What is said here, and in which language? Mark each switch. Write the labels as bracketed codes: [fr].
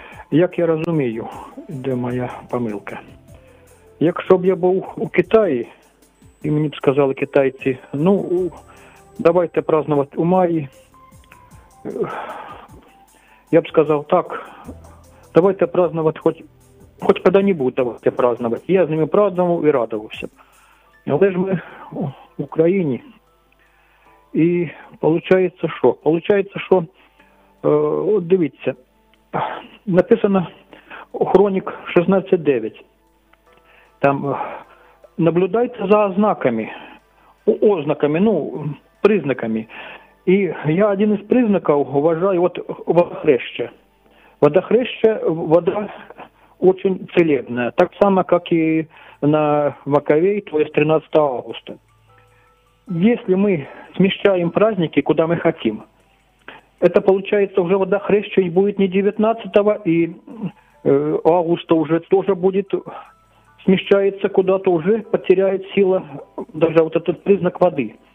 [uk] Як я розумію, де моя помилка? Якщо б я був у Китаї, і мені б сказали китайці, ну, давайте праздновати у маї, я б сказав так, давайте праздновати хоч коли-небудь, давайте праздновати. Я з ними праздновав і радувався. Але ж ми в Україні. І виходить, що? Виходить, що, дивіться, написано Хронік 16.9. Там, наблюдайте за ознаками, ознаками, ну, признаками. І я один із признаків вважаю, от водохреща. Водохреща, вода дуже целебна. Так само, як і на Маковей, то є 13 августа. [ru] Если мы смещаем праздники, куда мы хотим, это получается уже водохреща и будет не 19-го, и августа уже тоже будет смещается куда-то, уже потеряет сила даже вот этот признак воды.